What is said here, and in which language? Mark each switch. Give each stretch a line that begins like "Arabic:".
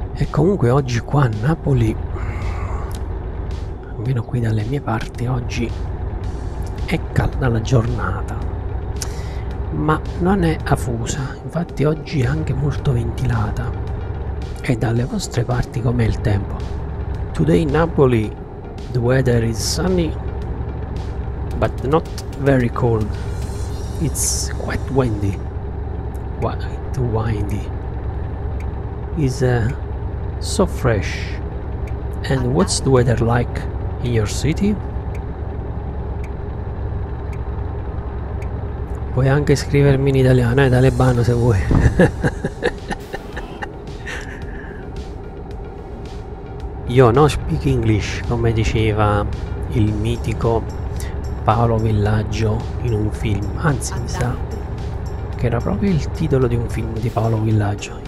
Italian: Comunque oggi qua a Napoli, almeno qui dalle mie parti, oggi è calda la giornata, ma non è afosa, infatti oggi è anche molto ventilata. E dalle vostre parti com'è il tempo?
English: Today Napoli, the weather is sunny, but not very cold. It's quite windy. Quite windy. So fresh. And what's the weather like in your city?
Italian: Puoi anche scrivermi in italiano, è talebano se vuoi. Io non
English: speak English,
Italian: come diceva il mitico Paolo Villaggio in un film, anzi mi sa che era proprio il titolo di un film di Paolo Villaggio.